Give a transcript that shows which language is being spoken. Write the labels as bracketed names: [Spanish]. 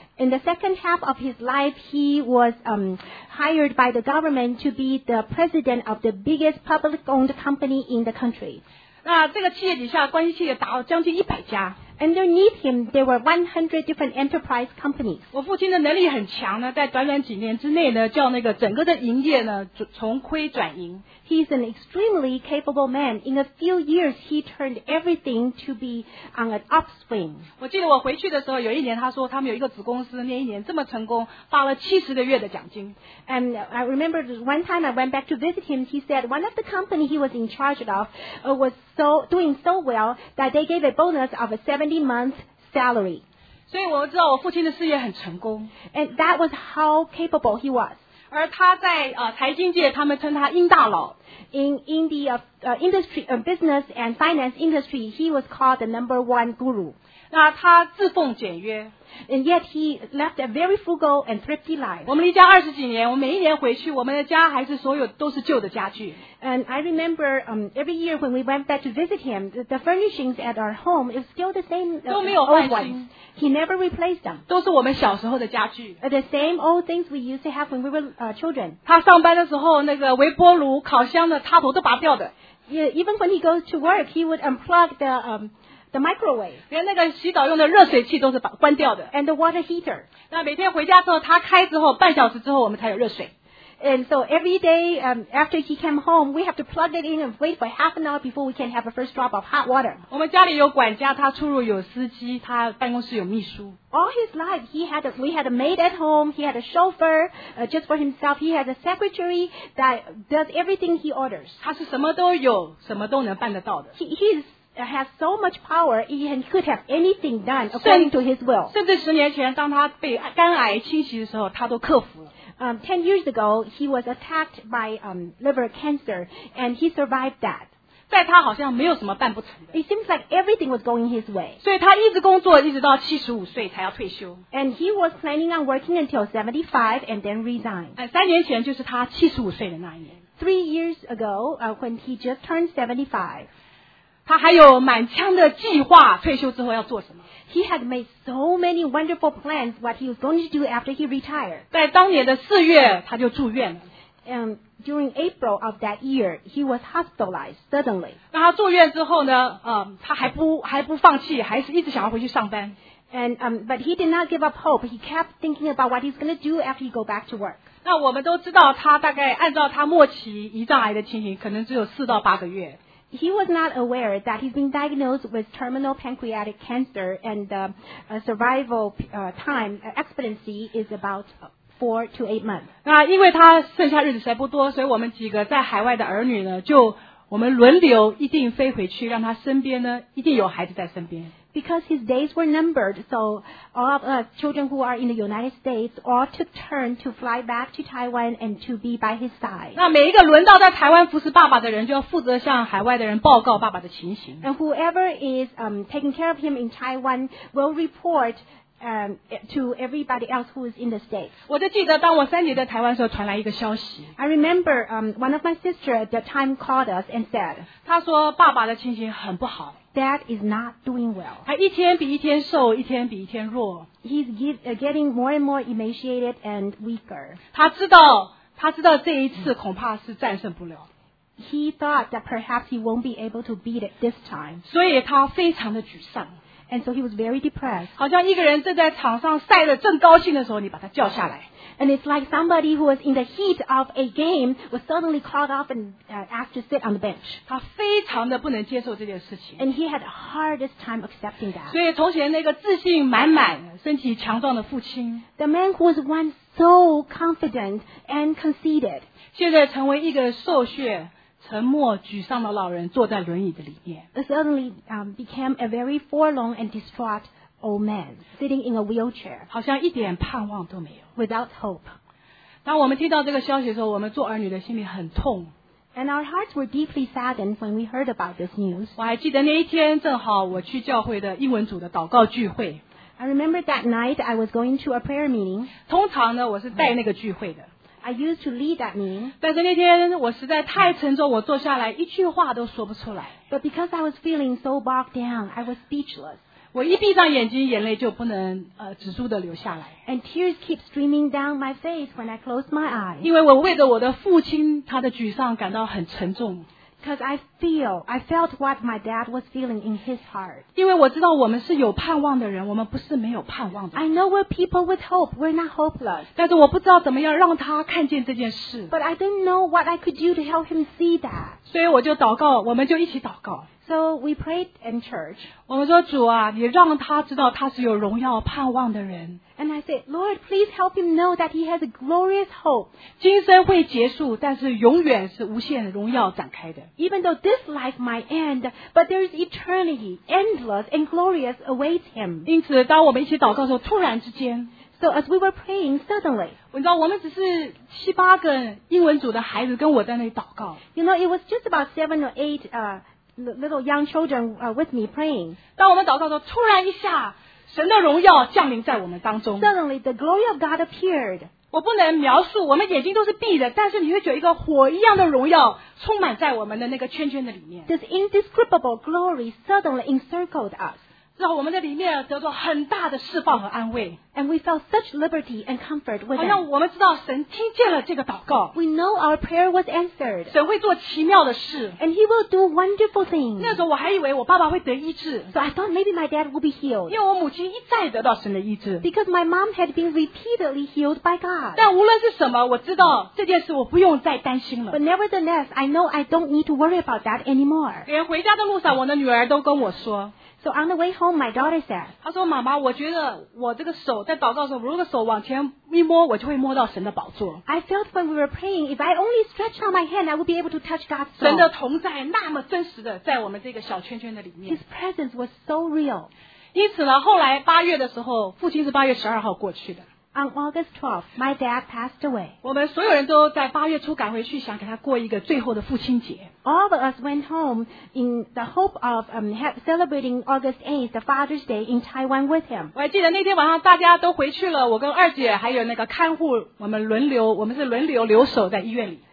[English] In the second half of his life, he was hired by the government to be the president of the biggest public-owned company in the country. [Chinese] 那这个企业底下，关系企业达到将近100家。 [English] Underneath him, there were 100 different enterprise companies. [Chinese] 我父亲的能力很强呢，在短短几年之内呢，叫那个整个的营业呢，从亏转盈。 [English] He's an extremely capable man. In a few years, he turned everything to be on an upswing. [Chinese] 我记得我回去的时候，有一年他说他们有一个子公司，那一年这么成功，发了70个月的奖金。 [English] And I remember one time I went back to visit him. He said one of the company he was in charge of was so doing so well that they gave a bonus of a 70-month salary. [Chinese] 所以我知道我父亲的事业很成功。 [English] And that was how capable he was. [Chinese] 而他在财经界他们称他英大佬。 [English] In the business and finance industry, he was called the number one guru. [Chinese] 那他自奉简约。 [English] And yet he left a very frugal and thrifty life. [Chinese] 我们离家二十几年，我每一年回去，我们的家还是所有都是旧的家具。 [English] And I remember, every year when we went back to visit him, the furnishings at our home is still the same old ones. He never replaced them. [Chinese] 都是我们小时候的家具。 [English] The same old things we used to have when we were children. [Chinese] 他上班的时候，那个微波炉、烤箱的插头都拔掉的。 [English] Even when he goes to work, he would unplug the microwave. [Chinese] 连那个洗澡用的热水器都是关掉的。 [English] And the water heater. [Chinese] 那每天回家之后，他开之后，半小时之后我们才有热水。 [English] And so every day, after he came home, we have to plug it in and wait for half an hour before we can have a first drop of hot water. [Chinese] 我们家里有管家，他出入有司机，他办公室有秘书。 [English] All his life, we had a maid at home, he had a chauffeur, just for himself, he had a secretary that does everything he orders. [Chinese] 他是什么都有，什么都能办得到的。 [English] He has so much power, he could have anything done according to his will. [Chinese] 甚至十年前，当他被肝癌侵袭的时候，他都克服了。 [English] 10 years ago, he was attacked by liver cancer, and he survived that. [Chinese] 在他好像没有什么办不成的。 [English] It seems like everything was going his way. [Chinese] 所以他一直工作，一直到75岁才要退休。 [English] And he was planning on working until 75 and then resign. [Chinese] 三年前就是他75岁的那一年。 [English] 3 years ago, when he just turned 75. [Chinese] 他还有满腔的计划，退休之后要做什么。 [English] He had made so many wonderful plans what he was going to do after he retired. [Chinese] 在当年的四月他就住院了。 [English] During April of that year, he was hospitalized suddenly. [Chinese] 那他住院之后呢，他还不放弃，还是一直想要回去上班。 [English] But he did not give up hope. He kept thinking about what he's going to do after he go back to work. [Chinese] 那我们都知道他大概按照他末期胰脏癌的情形可能只有4到8个月。 [English] He was not aware that he's been diagnosed with terminal pancreatic cancer and survival time expectancy is about 4 to 8 months. [Chinese] 那因为他剩下日子实在不多，所以我们几个在海外的儿女呢，就我们轮流一定飞回去，让他身边呢一定有孩子在身边。 [English] Because his days were numbered, so all of us children who are in the United States all took turn to fly back to Taiwan and to be by his side. [Chinese] 那每一个轮到在台湾服侍爸爸的人，就要负责向海外的人报告爸爸的情形。 [English] And whoever is taking care of him in Taiwan will report to everybody else who is in the States. [Chinese] 我就记得当我三姐在台湾的时候，传来一个消息。 [English] I remember one of my sisters at the time called us and said. [Chinese] 她说爸爸的情形很不好。 [English] Dad is not doing well. [Chinese] 他一天比一天瘦，一天比一天弱。 [English] He's getting more and more emaciated and weaker. [Chinese] 他知道这一次恐怕是战胜不了。 [English] He thought that perhaps he won't be able to beat it this time. [Chinese] 所以他非常的沮丧。 [English] And so he was very depressed. [Chinese] 好像一个人正在场上晒得正高兴的时候，你把他叫下来。 [English] And it's like somebody who was in the heat of a game was suddenly called off and asked to sit on the bench. [Chinese] 他非常的不能接受这件事情。 [English] And he had the hardest time accepting that. [Chinese] 所以从前那个自信满满、身体强壮的父亲 [English] ，The man who was once so confident and conceited， [Chinese] 现在成为一个瘦削、沉默、沮丧的老人，坐在轮椅的里面 [English] ，Suddenly became a very forlorn and distraught old man sitting in a wheelchair， [Chinese] 好像一点盼望都没有。 [English] Without hope. [Chinese] 当我们听到这个消息的时候，我们做儿女的心里很痛。 [English] And our hearts were deeply saddened when we heard about this news. [Chinese] 我还记得那一天正好我去教会的英文组的祷告聚会。 [English] I remember that night I was going to a prayer meeting. [Chinese] 通常呢，我是带那个聚会的。 [English] I used to lead that meeting. [Chinese] 但是那天我实在太沉重，我坐下来一句话都说不出来。 [English] But because I was feeling so bogged down, I was speechless. [Chinese] 我一闭上眼睛，眼泪就不能止住的流下来。 [English] And tears keep streaming down my face when I close my eyes. [Chinese] 因为我为着我的父亲他的沮丧感到很沉重。 [English] Because I felt what my dad was feeling in his heart. [Chinese] 因为我知道我们是有盼望的人，我们不是没有盼望的人。 [English] I know we're people with hope. We're not hopeless. [Chinese] 但是我不知道怎么样让他看见这件事。 [English] But I didn't know what I could do to help him see that. [Chinese] 所以我就祷告，我们就一起祷告。 [English] So we prayed in church. [Chinese] 我们说主啊，你让他知道他是有荣耀盼望的人。 [English] And I said, Lord, please help him know that he has a glorious hope. [Chinese] 今生会结束，但是永远是无限荣耀展开的。 [English] Even though this life might end, but there is eternity, endless and glorious awaits him. [Chinese] 因此，当我们一起祷告的时候，突然之间 [English] So So as we were praying, suddenly, [Chinese] 你知道我们只是七八个英文组的孩子跟我在那里祷告。 [English] You know, it was just about seven or eight little young children with me praying. [Chinese] 当我们祷告的时候，突然一下，神的荣耀降临在我们当中。 [English] Suddenly, the glory of God appeared. [Chinese] 我不能描述，我们眼睛都是闭的，但是你会觉得一个火一样的荣耀充满在我们的那个圈圈的里面。 [English] This indescribable glory suddenly encircled us. [Chinese] 让我们在里面得到很大的释放和安慰。 [English] And we felt such liberty and comfort with it. [Chinese] 好像我们知道神听见了这个祷告。 [English] We know our prayer was answered. [Chinese] 神会做奇妙的事。 [English] And he will do wonderful things. [Chinese] 那时候我还以为我爸爸会得医治。 [English] So I thought maybe my dad will be healed. [Chinese] 因为我母亲一再得到神的医治。 [English] Because my mom had been repeatedly healed by God. [Chinese] 但无论是什么，我知道这件事我不用再担心了。 [English] But nevertheless, I know I don't need to worry about that anymore. [Chinese] 连回家的路上，我的女儿都跟我说。 [English] So on the way home, my daughter said, [Chinese] 她说妈妈，我觉得我这个手在祷告的时候，如果手往前一摸，我就会摸到神的宝座。 [English] I felt when we were praying, if I only stretch out my hand, I would be able to touch God's throne. [Chinese] 神的同在那么真实的在我们这个小圈圈的里面。 [English] His presence was so real. [Chinese] 因此呢，后来八月的时候，父亲是八月十二号过去的。 [English] On August 12th, my dad passed away. [Chinese] 我们所有人都在八月初赶回去，想给他过一个最后的父亲节。 [English] All of us went home in the hope of celebrating August 8th, the Father's Day in Taiwan with him. [Chinese] 我还记得那天晚上大家都回去了，我跟二姐还有那个看护，我们轮流，我们是轮流留守在医院里。